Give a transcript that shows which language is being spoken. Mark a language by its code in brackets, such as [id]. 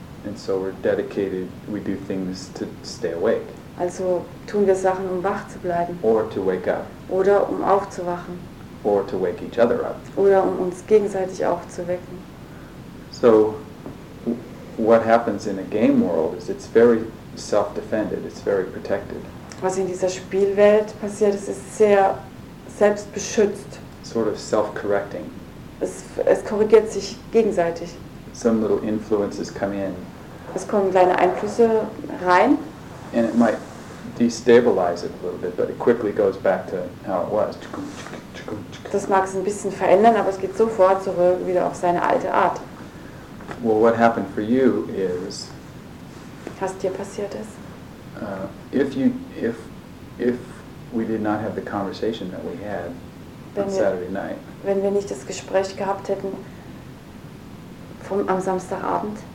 [en] And so we're dedicated, we do things to stay awake. [de] Also tun wir Sachen, um wach zu bleiben. [en] Or to wake up. [de] Oder um aufzuwachen. [en] Or to wake each other up. [de] Oder um uns gegenseitig aufzuwecken. [en] So what happens in a game world is it's very self-defended, it's very protected. [de] Was in dieser Spielwelt passiert, es ist sehr selbstbeschützt. [en] Sort of self-correcting. [de] Es korrigiert sich gegenseitig. [en] Some little influences come in. [de] Es kommen kleine Einflüsse rein. [en] And it might destabilize it a little bit, but it quickly goes back to how it was. [de] Das mag es ein bisschen verändern, aber es geht sofort zurück wieder auf seine alte Art. [en] Well, what happened for you is, [de] was dir passiert ist? [en] If we did not have the conversation that we had on Saturday night, [de] wenn wir nicht das Gespräch gehabt hätten am Samstagabend,